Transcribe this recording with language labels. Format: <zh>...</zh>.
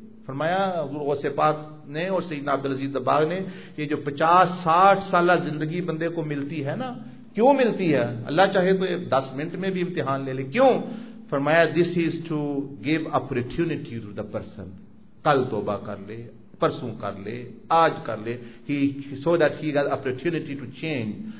<ur>فرمایا حضور غوث پاک نے اور سیدنا عبدالعزیز دباغ نے, یہ جو 50-60 سالہ زندگی بندے کو ملتی ہے نا, کیوں ملتی ہے؟ اللہ چاہے تو 10 منٹ میں بھی امتحان لے لے. کیوں؟ فرمایا</ur> <en>This is to give opportunity to the person.</en> <ur>کل توبہ کر لے, پرسوں کر لے, آج کر لے,</ur> <en>So that he has opportunity to change.</en>